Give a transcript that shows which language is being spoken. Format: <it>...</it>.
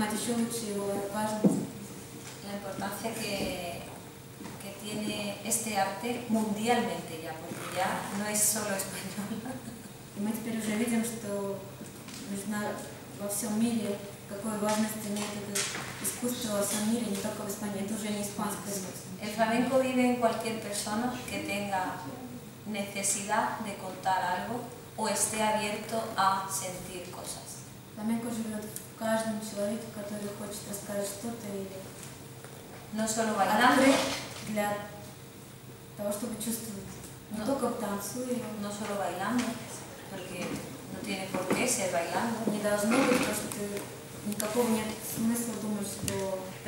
<es>La importancia que tiene este arte mundialmente ya, porque ya no es solo español.</es> <ru>И мы теперь уже видим, что нужно во всем мире, какую важность имеет это искусство во всем мире, не только в Испании, это уже не испанское искусство.</ru> <es>El flamenco vive en cualquier persona que tenga necesidad de contar algo o esté abierto a sentir cosas.</es> <ru>Flamenco живет в каждом человеке, который хочет рассказать что-то или...</ru> <es>No solo bailando.</es> <ru>Для того, чтобы чувствовать. Не только в танцу или...</ru> <es>No solo bailando. Porque no tiene por qué ser bailando. Ni das nubes, porque te, ni tampoco ni un esfuerzo más lo...</es>